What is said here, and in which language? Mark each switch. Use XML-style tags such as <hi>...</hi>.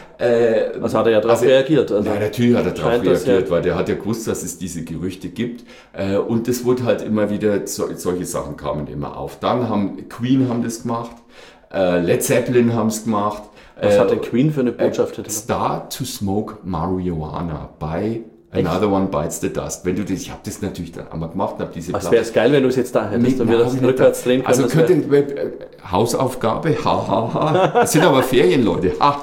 <de>Also hat er ja darauf reagiert. Also, nein, natürlich hat er darauf reagiert, weil der hat ja gewusst, dass es diese Gerüchte gibt. Und es wurde halt immer wieder, solche Sachen kamen immer auf. Dann haben Queen haben das gemacht, Led Zeppelin haben es gemacht. Was hat der Queen für eine Botschaft?</de> <en>Start to smoke marijuana by another one bites the dust.</en> <de>Wenn du das, ich habe das natürlich dann einmal gemacht und habe diese Platte. Was wäre es geil, wenn du es jetzt da hättest und wir das rückwärts drehen können. Also könnte Hausaufgabe, das sind aber Ferien, Leute.</de>